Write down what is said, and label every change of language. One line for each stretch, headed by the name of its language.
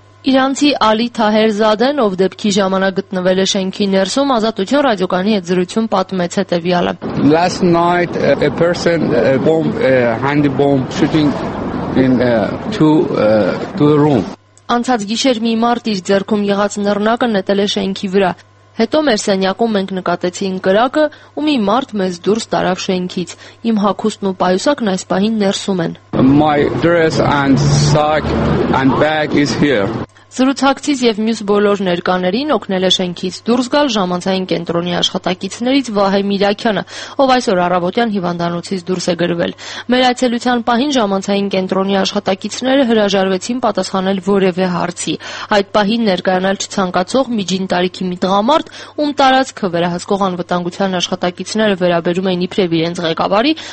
Armenian: Իրանցի Ալի Թահերզադեն, ով դեպքի ժամանակ գտնվել է շենքի ներսում, Ազատություն ռադիոկանի հետ զրույցում պատմեց հետևյալը։
English: Last night a person a handy bomb shooting in two room.
Armenian: Անցած գիշեր մի մարդ իր ձեռքում եղած նռնակը նետել է շենքի վրա։ Հետո մեր սենյակում մենք նկատեցինք կրակը, ու մի մարդ մեզ դուրս տարավ շենքից։ Իմ հագուստն ու պայուսակն այս պահին ներսում են։
English: My dress and sock and bag is here.
Armenian: Զրուցակցից և մյուս բոլոր ներկաներին օգնել է շենքից դուրս գալ ժամանցային կենտրոնի աշխատակիցներից Վահե Միրաքյանը, ով այսօր առավոտյան հիվանդանոցից դուրս է գրվել։ Մեր այցելության պահին ժամանցային կենտրոնի աշխատակիցները հրաժարվեցին պատասխանել որևէ հարցի։ Այդ պահին ներկայանալ չցանկացող միջին տարիքի մի տղամարդ, ում տարածքը վերահսկող անվտանգության աշխատակիցները վերաբերում էին իբրև իրենց ղեկավարի,